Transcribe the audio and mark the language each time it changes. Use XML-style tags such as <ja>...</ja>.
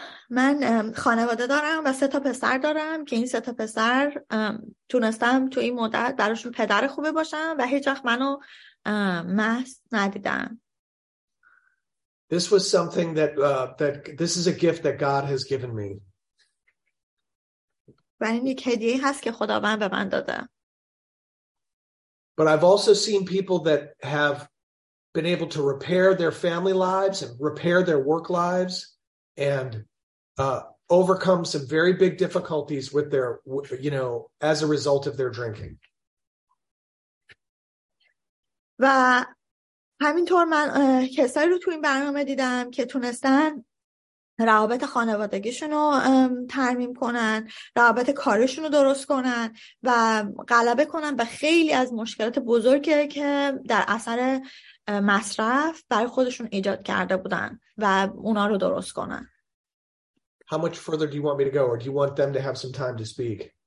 <fa>من خانواده دارم و سه تا پسر دارم که این سه تا پسر تونستم تو این مدت براشون پدر خوبه باشم و هیچ وقت منو مست ندیدن.</fa> <en>This was something that this is a gift that God has given me.</en> <fa>و این یک هدیه هست که خداوند به من داده.</fa> <en>But I've also seen people that have been able to repair their family lives and repair their work lives and overcome some very big difficulties with their, you know, as a result of their drinking.</en> <fa>و همینطور من کسایی رو تو این برنامه دیدم که تونستن روابط خانوادگیشون رو ترمیم کنن، روابط کارشون رو درست کنن و غلبه کنن به خیلی از مشکلات بزرگی که در اثر مصرف برای خودشون ایجاد کرده بودن و اونا رو درست کنن.</fa> <en>How much further do you want me to go, or do you want them to have some time to speak?</en>